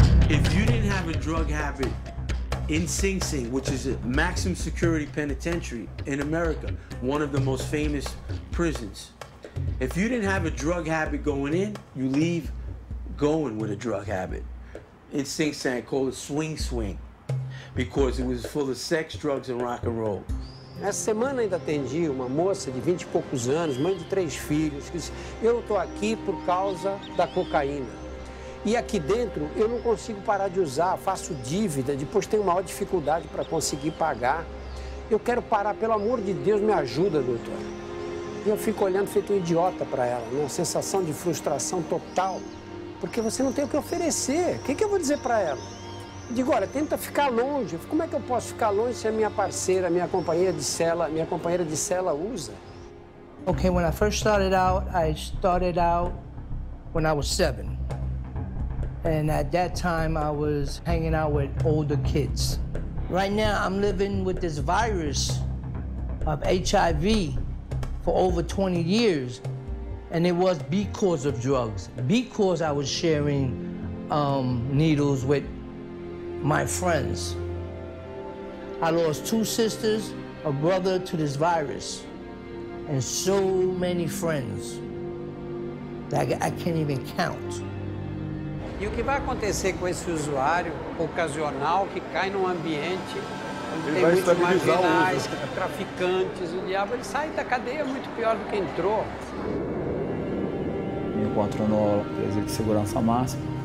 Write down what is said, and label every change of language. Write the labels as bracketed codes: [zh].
[en] If you didn't have a drug habit in Sing Sing, which is a maximum security penitentiary in America, one of the most famous prisons, if you didn't have a drug habit going in, you leave going with a drug habit. In Sing Sing, called it Swing Swing, because it was full of sex, drugs, and rock and roll. [pt] Essa semana ainda atendi uma moça de 20 e poucos anos, mãe de 3 filhos, que disse, eu tô aqui por causa da cocaína. E aqui dentro, eu não consigo parar de usar, faço dívida, depois tenho maior dificuldade para conseguir pagar. Eu quero parar, pelo amor de Deus, me ajuda, doutor. E eu fico olhando feito um idiota para ela, uma sensação de frustração total. Porque você não tem o que oferecer. O que, que eu vou dizer para ela? Digo, olha, tenta ficar longe. Como é que eu posso ficar longe se a minha parceira, minha companheira de cela usa? [en] Okay, when I first started out, I started out when I was 7. And at that time, I was hanging out with older kids. Right now, I'm living with this virus of HIV for over 20 years. And it was because of drugs, because I was sharing needles with my friends. I lost 2 sisters, a brother to this virus, and so many friends that I can't even count. [pt] E o que vai acontecer com esse usuário ocasional que cai num ambiente onde tem muitos marginais, traficantes, o diabo, ele sai da cadeia muito pior do que entrou. Me encontro no presídio de segurança máxima.